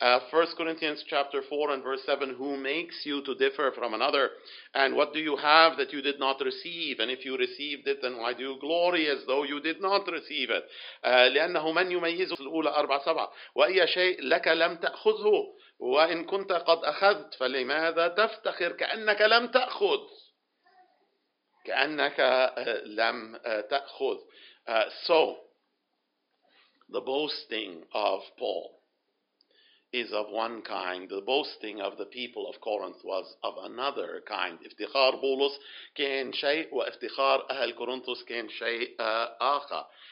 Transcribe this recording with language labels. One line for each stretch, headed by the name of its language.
English: First Corinthians chapter 4 and verse 7, who makes you to differ from another? And what do you have that you did not receive? And if you received it, then why do you glory as though you did not receive it?
Arabic: لأنه من يميز الأولى 4-7 وأي شيء لك لم تأخذه وإن كنت قد أخذت فلماذا تفتخر كأنك لم تأخذ كأنك لم تأخذ.
English: So the boasting of Paul is of one kind. The boasting of the people of Corinth was of another kind.
Arabic: افتخار بولس كان شيء وافتخار أهل كورنثوس كان شيء آخر.